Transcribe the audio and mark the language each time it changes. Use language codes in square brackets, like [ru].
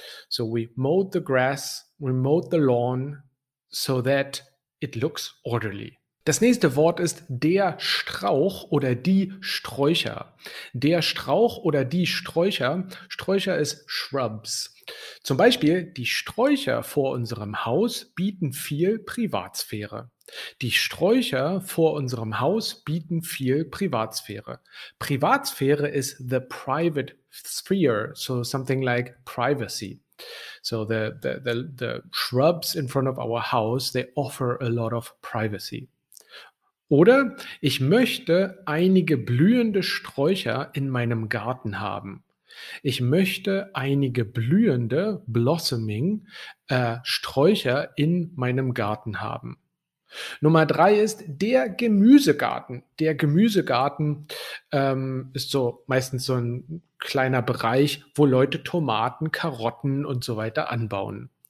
[en] So we mowed the grass, we mowed the lawn, so that it looks orderly. [de] Das nächste Wort ist der Strauch oder die Sträucher. Der Strauch oder die Sträucher. Sträucher ist shrubs. Zum Beispiel, die Sträucher vor unserem Haus bieten viel Privatsphäre. Die Sträucher vor unserem Haus bieten viel Privatsphäre. Privatsphäre ist [en] the private sphere, so something like privacy. So the shrubs in front of our house, they offer a lot of privacy. [de] Oder ich möchte einige blühende Sträucher in meinem Garten haben. Ich möchte einige blühende, blossoming, Sträucher in meinem Garten haben. Nummer 3 ist der Gemüsegarten. Der Gemüsegarten ist so meistens so ein kleiner Bereich, wo Leute Tomaten, Karotten und so weiter anbauen.